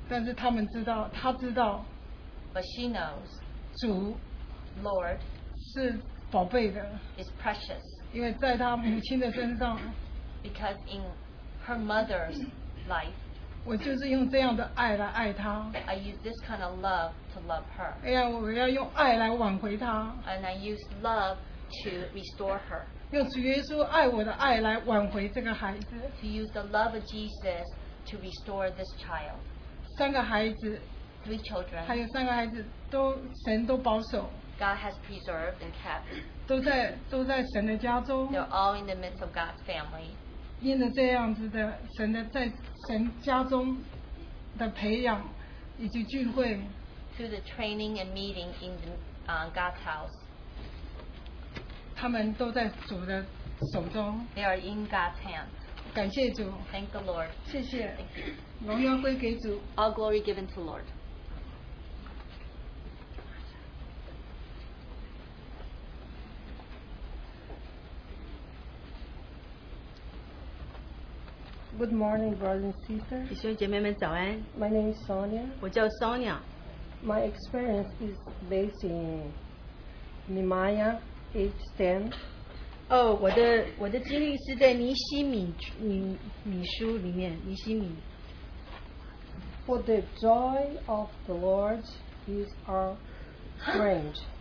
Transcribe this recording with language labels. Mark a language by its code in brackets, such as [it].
[zh] 但是他们知道他知道 [en] but she knows [zh] 主 [en] Lord [zh] 是宝贝的 [en] is precious [zh] 因为在他母亲的身上 [en] because in her mother's life [zh] 我就是用这样的爱来爱她 [en] I use this kind of love to love her [zh] 哎呀我要用爱来挽回她 [en] and I use love to restore her [zh] 用主耶稣爱我的爱来挽回这个孩子 [en] to use the love of Jesus to restore this child [zh] 三个孩子 [en] three children [zh] 还有三个孩子都神都保守 [en] God has preserved and kept. [zh] 都在神的家中。 [en] They're all in the midst of God's family. [zh] 因着这样子的神的在神家中的培养以及聚会。 [en] Through the training and meeting in the, God's house. [zh] 他们都在主的手中。 [en] They are in God's hands. [zh] 感谢主。 [en] Thank the Lord. [zh] 谢谢。荣耀归给主。 [en] All glory given to the Lord. Good morning, brothers and sisters. [zh] 弟兄姐妹们早安。 [en] My name is Sonia. [zh] 我叫 Sonia. [en] My experience is based in Nehemiah 8:10. [zh] 哦，我的经历是在尼希米书里面，尼希米。 [en] For the joy of the Lord is our strength.